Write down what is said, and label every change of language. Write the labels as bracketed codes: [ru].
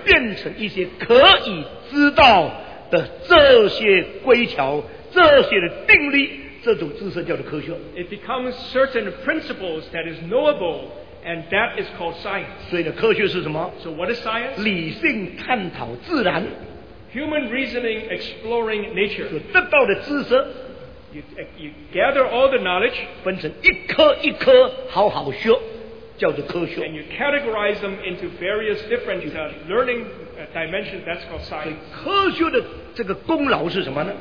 [zh] 变成一些可以知道的这些规条，这些的定律，这种知识叫做科学。 [en] It becomes certain principles that is knowable, and that is called science. [zh] 所以呢，科学是什么？ [en] So what is science? [zh] 理性探讨自然。 [en] Human reasoning exploring nature. [zh] 所得到的知识， [en] you gather all the knowledge, [zh] 分成一颗一颗好好学，叫做科学。 [en] And you categorize them into various different learning dimensions, that's called science. [zh] 所以科学的这个功劳是什么呢？